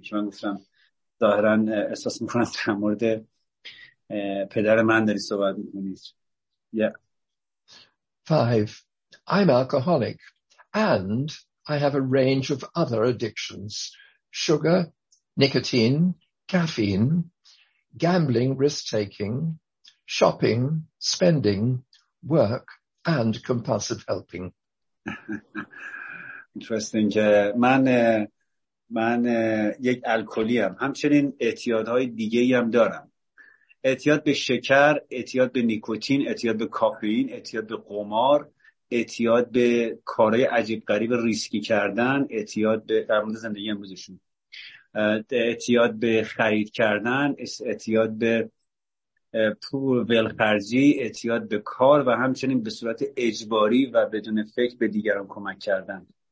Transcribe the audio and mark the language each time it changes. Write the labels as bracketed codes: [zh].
[fa] که من گفتم ظاهرا احساس میکنم در مورد پدر من داری صحبت میکنید. [en] Yeah. 5. I'm alcoholic and I have a range of other addictions: sugar, nicotine, caffeine, gambling, risk taking, shopping, spending, work and compulsive helping. [fa] Interesting که من یک الکلی ام، همچنین اعتیادهای دیگه ای هم دارم. اعتیاد به شکر، اعتیاد به نیکوتین، اعتیاد به کافئین، اعتیاد به قمار، اعتیاد به کارهای عجیب غریب ریسکی کردن، اعتیاد به در مورد زندگی امروزشون، اعتیاد به خرید کردن، اعتیاد به پول ولخرجی، اعتیاد به کار و همچنین به صورت اجباری و بدون فکر به دیگران کمک کردن.